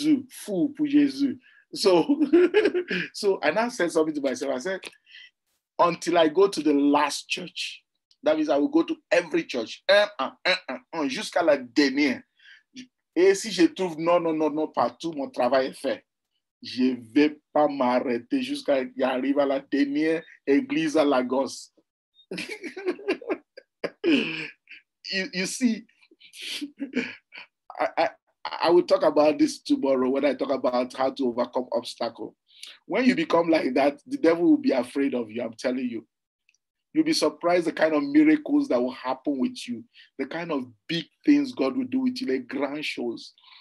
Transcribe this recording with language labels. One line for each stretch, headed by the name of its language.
French: Fou pour Jésus.
English: So I now said something to myself. I said, until I go to the last church, that means I will go to every church.
French: Jusqu'à la dernière. Et si je trouve non, non, non, non, partout, mon travail est fait. Je ne vais pas m'arrêter jusqu'à arriver à la dernière église à Lagos.
English: You see, I will talk about this tomorrow when I talk about how to overcome obstacles. When you become like that, the devil will be afraid of you, I'm telling you. You'll be surprised the kind of miracles that will happen with you, the kind of big things God will do with you, like grand shows.